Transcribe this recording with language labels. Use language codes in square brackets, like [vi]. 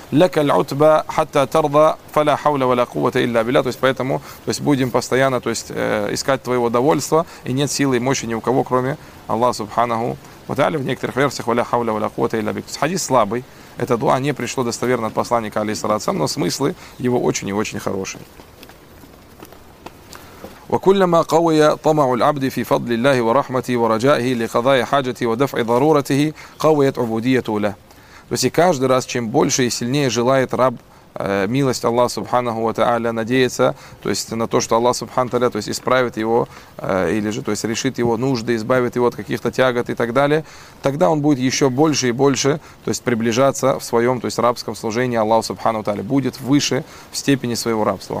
[ar] «Лека л'утба хатта тарда фаля хавля валя кувата илля билля», [ru] то есть, поэтому, то есть, будем постоянно, то есть, искать твоего довольства, и нет силы и мощи ни у кого, кроме Аллаха субханаху. Вот в некоторых версиях [ar] «Валя хавля валя кувата илля билля». [ru] Хадис слабый. Это дуа не пришло достоверно от посланника, алейхиссалям, но смыслы его очень и очень хорошие. [ar] وكلما قوي طمع العبد في فضل الله ورحمته ورجائه لقضاء حاجته ودفع ضرورته قويت عبوديته له. [ru] То есть каждый раз, чем больше и сильнее желает раб милость Аллаха субханаху ва тааля, надеется, то есть на то, что Аллах субхану тааля, то есть исправит его или же, то есть решит его нужды, избавит его от каких-то тягот и так далее, тогда он будет еще больше и больше, то есть приближаться в своем, то есть рабском служении Аллаху субхану тааля, будет выше в степени своего рабства.